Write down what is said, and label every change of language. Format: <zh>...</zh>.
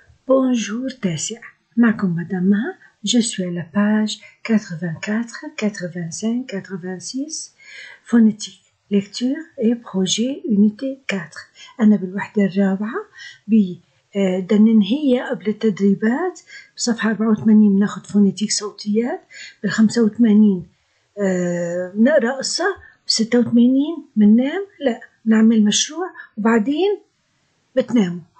<fr>Bonjour</fr> <ar>Tessia, معكم مدام مها.</ar> <fr>Je suis à la page 84, 85, 86. Phonétique, lecture et projet unité 4.</fr> <ar>أنا بالوحدة الرابعة بدننهية قبل التدريبات بصفحة 84 بناخد فونيتيك صوتيات بال 85 نقرأ قصة 86 مننام لا نعمل مشروع وبعدين بتناموا.</ar>